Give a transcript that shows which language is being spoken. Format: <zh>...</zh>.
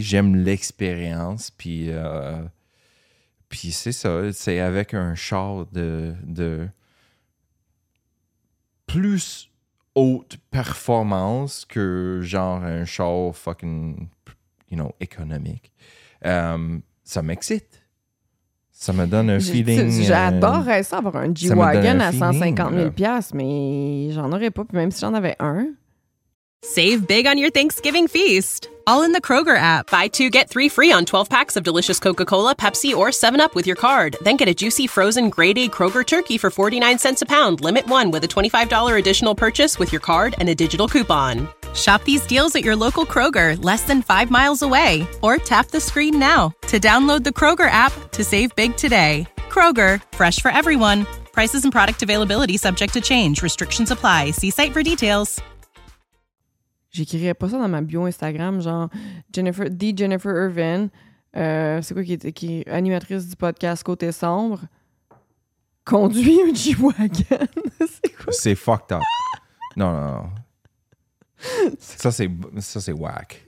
<fr>J'aime l'expérience. Puis c'est ça, c'est avec un char de plus haute performance que genre un char</fr> <en>fucking, you know,</en> <fr>économique. Ça m'excite. Ça me donne un feeling. J'adorerais ça, avoir un G-Wagon à 150 000 piastres, mais j'en aurais pas. Puis même si j'en avais un.</fr> <en>Save big on your Thanksgiving feast, all in the Kroger app. Buy two, get three free on 12 packs of delicious Coca-Cola, Pepsi, or 7-Up with your card. Then get a juicy frozen grade A Kroger turkey for 49 cents a pound, limit one with a $25 additional purchase with your card and a digital coupon. Shop these deals at your local Kroger, less than 5 miles away. Or tap the screen now to download the Kroger app to save big today. Kroger, fresh for everyone. Prices and product availability subject to change. Restrictions apply. See site for details.</en> <fr>J'écrirais pas ça dans ma bio Instagram, genre Jennifer, D. Jennifer Irvin, c'est quoi qui est animatrice du podcast Côté Sombre, conduit un G-Wagon. C'est quoi? C'est fucked up. Non. Ça, c'est whack.</fr>